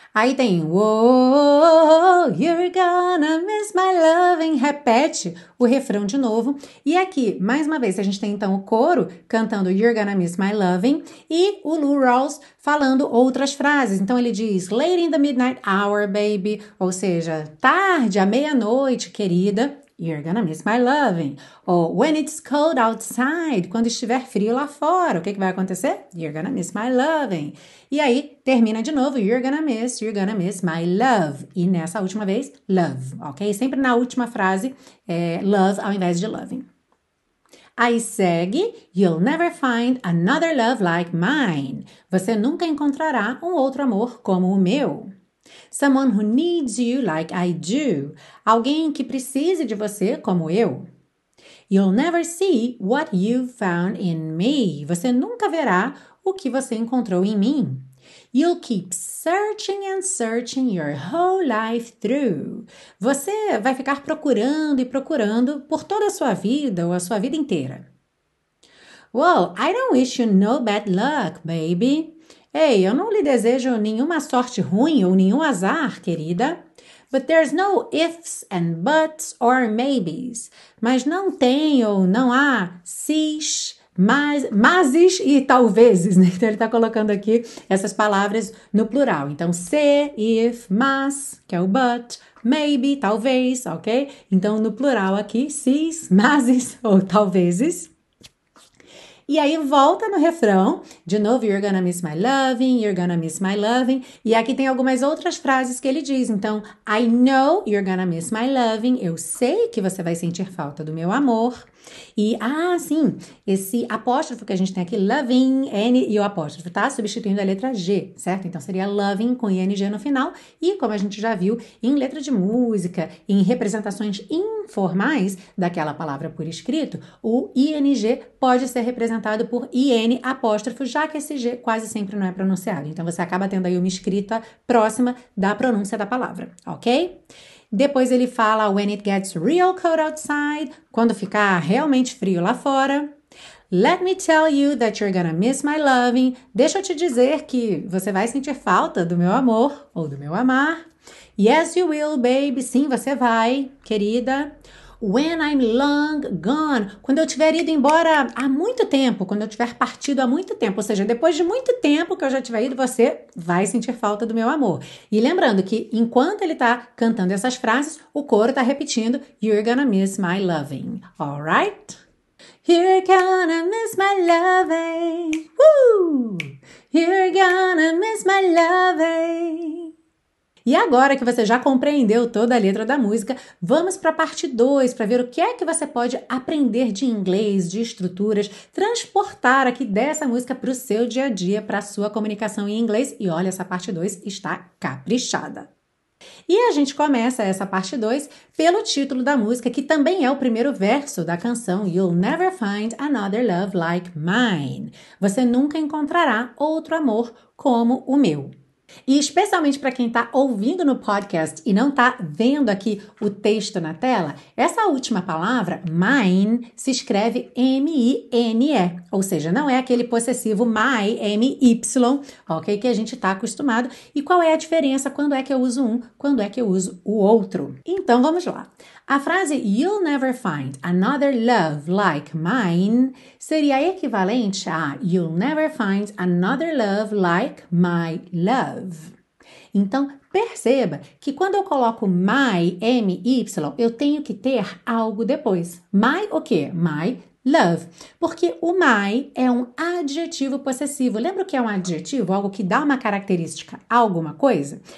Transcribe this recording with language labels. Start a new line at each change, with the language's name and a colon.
Portuguese: Aí tem,
English: oh, you're gonna miss my loving,
Portuguese: repete o refrão de novo. E aqui, mais uma vez, a gente tem então o coro cantando
English: you're gonna miss my loving
Portuguese: e o Lou Rawls falando outras frases. Então, ele diz,
English: late in the midnight hour, baby,
Portuguese: ou seja, tarde, à meia-noite, querida.
English: You're gonna miss my loving.
Portuguese: Ou
English: when it's cold outside,
Portuguese: quando estiver frio lá fora, o que que vai acontecer?
English: You're gonna miss my loving.
Portuguese: E aí, termina de novo,
English: you're gonna miss my love.
Portuguese: E nessa última vez, love, ok? Sempre na última frase, é love ao invés de loving. Aí segue,
English: you'll never find another love like mine.
Portuguese: Você nunca encontrará um outro amor como o meu.
English: Someone who needs you like I do.
Portuguese: Alguém que precise de você como eu.
English: You'll never see what you found in me.
Portuguese: Você nunca verá o que você encontrou em mim.
English: You'll keep searching and searching your whole life through.
Portuguese: Você vai ficar procurando e procurando por toda a sua vida ou a sua vida inteira.
English: Well, I don't wish you no bad luck, baby.
Portuguese: Ei, eu não lhe desejo nenhuma sorte ruim ou nenhum azar, querida.
English: But there's no ifs and buts or maybes.
Portuguese: Mas não tem ou não há sis. Mas e talvezes, né? Então ele está colocando aqui essas palavras no plural. Então, se, if, mas, que é o but, maybe, talvez, ok? Então, no plural aqui, sis, mases ou talvezes. E aí volta no refrão, de novo,
English: you're gonna miss my loving, you're gonna miss my loving.
Portuguese: E aqui tem algumas outras frases que ele diz. Então,
English: I know you're gonna miss my loving.
Portuguese: Eu sei que você vai sentir falta do meu amor. E, ah, sim, esse apóstrofo que a gente tem aqui, loving, N e o apóstrofo, tá? Substituindo a letra G, certo? Então, seria loving com ING no final. E, como a gente já viu, em letra de música, em representações informais daquela palavra por escrito, o ING pode ser representado por IN apóstrofo, já que esse G quase sempre não é pronunciado. Então, você acaba tendo aí uma escrita próxima da pronúncia da palavra, ok? Depois ele fala,
English: when it gets real cold outside,
Portuguese: quando ficar realmente frio lá fora.
English: Let me tell you that you're gonna miss my loving.
Portuguese: Deixa eu te dizer que você vai sentir falta do meu amor ou do meu amar.
English: Yes, you will, baby.
Portuguese: Sim, você vai, querida.
English: When I'm long gone,
Portuguese: quando eu tiver ido embora há muito tempo, quando eu tiver partido há muito tempo, ou seja, depois de muito tempo que eu já tiver ido, você vai sentir falta do meu amor. E lembrando que enquanto ele está cantando essas frases, o coro está repetindo:
English: You're gonna miss my loving, alright? You're gonna miss my loving, woo! You're gonna miss my loving.
Portuguese: E agora que você já compreendeu toda a letra da música, vamos para a parte 2, para ver o que é que você pode aprender de inglês, de estruturas, transportar aqui dessa música para o seu dia a dia, para a sua comunicação em inglês. E olha, essa parte 2 está caprichada. E a gente começa essa parte 2 pelo título da música, que também é o primeiro verso da canção
English: You'll Never Find Another Love Like Mine.
Portuguese: Você nunca encontrará outro amor como o meu. E especialmente para quem está ouvindo no podcast e não está vendo aqui o texto na tela, essa última palavra, mine, se escreve mine, ou seja, não é aquele possessivo my, my, ok? Que a gente está acostumado. E qual é a diferença? Quando é que eu uso um? Quando é que eu uso o outro? Então vamos lá. A frase
English: you'll never find another love like mine
Portuguese: seria equivalente a
English: you'll never find another love like my love.
Portuguese: Então, perceba que quando eu coloco my, my, eu tenho que ter algo depois. My o quê? My love. Porque o my é um adjetivo possessivo. Lembra o que é um adjetivo? Algo que dá uma característica a alguma coisa?